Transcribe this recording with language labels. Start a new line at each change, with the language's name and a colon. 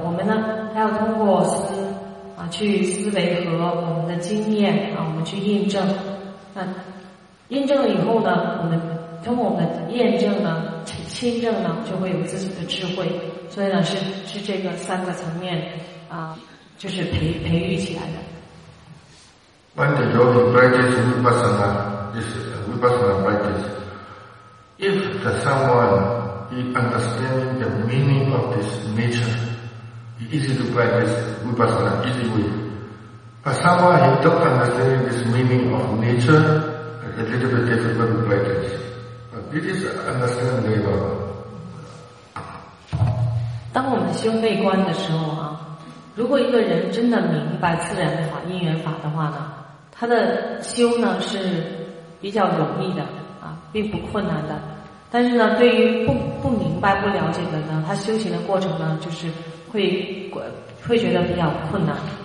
Chinese: 我们呢，还要通过去思维和我们的经验啊，我们去印证。那印证了以后呢，我们通过我们的验证呢、亲证呢，就会有自己的智慧。所以呢，是这个三个层面啊，就是培育起来的。
English: When the yogi practices vipassana, this vipassana practice, if the someone is understanding the meaning of this nature, it is easy to practice vipassana, easy way. But someone who don't understand this meaning of nature, it's a little bit difficult to practice. But it is understanding labor.
Chinese: 当我们修内观的时候啊，如果一个人真的明白自然法、因缘法的话呢，他的修呢是比较容易的啊，并不困难的。但是呢，对于不明白、不了解的呢，他修行的过程呢，就是会觉得比较困难。